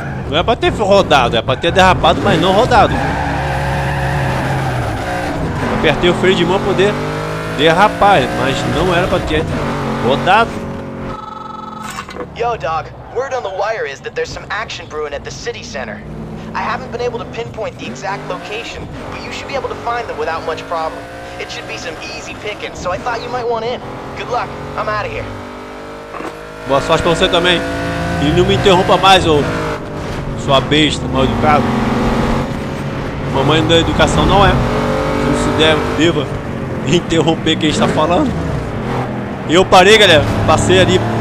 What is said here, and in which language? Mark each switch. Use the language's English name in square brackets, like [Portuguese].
[Portuguese] Não é pra ter rodado, é pra ter derrapado, mas não rodado. Apertei o freio de mão pra poder derrapar, mas não era pra ter rodado. [English] Yo, Doc. Word on the wire is that there's some action brewing at the city center. I haven't been able to pinpoint the exact location, but you should be able to find them without much problem. It should be some easy picking, so I thought you might want in. Good luck. I'm out of here. [Portuguese] Boa sorte pra você também. E não me interrompa mais, ô. Sua besta, mal educado. Mamãe da educação não é. Se não se deva interromper quem está falando. Eu parei, galera. Passei ali.